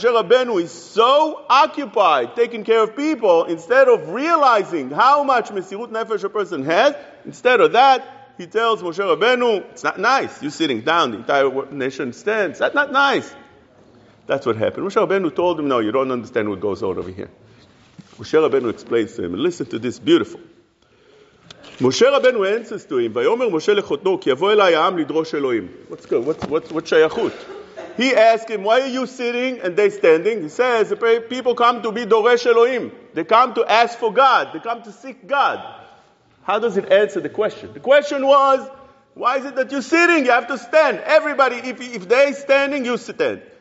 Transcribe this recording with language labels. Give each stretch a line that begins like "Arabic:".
English: Moshe Rabbeinu is so occupied taking care of people instead of realizing how much Mesirut Nefesh a person has. Instead of that, he tells Moshe Rabbeinu, it's not nice. You're sitting down, the entire nation stands. That's not nice. That's what happened. Moshe Rabbeinu told him, no, you don't understand what goes on over here. Moshe Rabbeinu explains to him, listen to this, beautiful. Moshe Rabbeinu answers to him,
Hebrew: ויאמר משה לחותנו, כי יבוא אליי העם לדרוש אלוהים.
English: What's good? What's שייכות? He asks him, why are you sitting and they standing? He says, the people come to be Doresh Elohim. They come to ask for God. They come to seek God. How does it answer the question? The question was, why is it that you're sitting? You have to stand. Everybody, if they're standing, you stand.